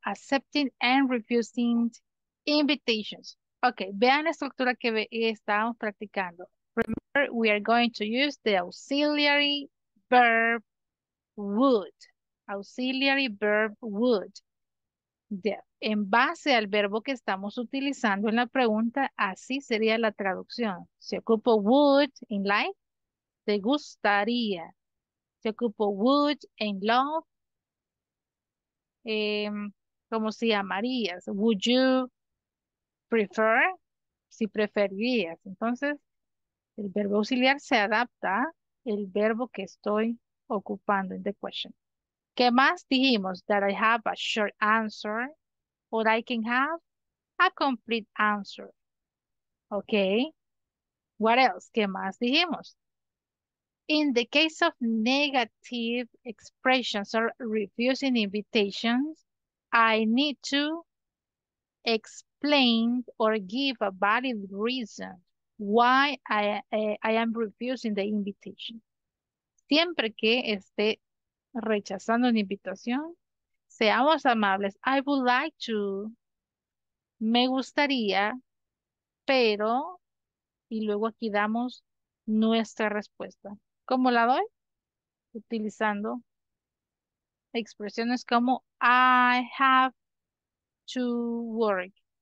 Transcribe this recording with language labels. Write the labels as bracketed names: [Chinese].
[English] Accepting and refusing invitations. [Spanish] Ok, vean la estructura que estábamos practicando. [English] Remember, we are going to use the auxiliary verb would. Auxiliary verb would. There. [Spanish] En base al verbo que estamos utilizando en la pregunta, así sería la traducción. Si ocupo [English] would in like, [Spanish] te gustaría. Si ocupo [English] would in love, [Spanish] como si amarías. [English] Would you prefer? [Spanish] Si preferirías. Entonces, el verbo auxiliar se adapta al verbo que estoy ocupando en [English] the question. [Spanish] ¿Qué más dijimos? [English] That I have a short answer. Or I can have a complete answer. Okay. What else? [Spanish] ¿Qué más dijimos? [English] In the case of negative expressions or refusing invitations, I need to explain or give a valid reason why I am refusing the invitation. [Spanish] Siempre que esté rechazando una invitación, seamos amables. [English] I would like to. [Spanish] Me gustaría, pero. Y luego aquí damos nuestra respuesta. ¿Cómo la doy? Utilizando expresiones como [English] I have to work.